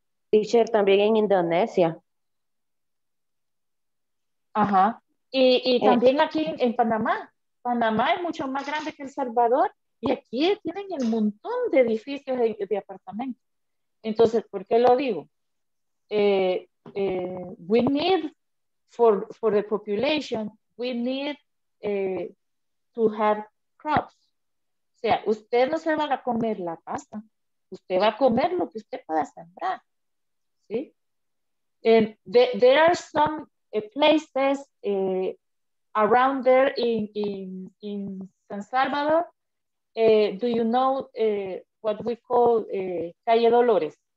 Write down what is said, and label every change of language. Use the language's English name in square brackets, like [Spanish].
[Spanish] Teacher, también en Indonesia. Ajá. Y también aquí en Panamá. Panamá es mucho más grande que El Salvador. Y aquí tienen el montón de edificios de apartamentos. Entonces, ¿por qué lo digo? [English] We need for the population, we need to have crops. [Spanish] O sea, usted no se va a comer la pasta. Usted va a comer lo que usted pueda sembrar. ¿Sí? [English] And there are some places around there in San Salvador. Do you know what we call Calle Dolores?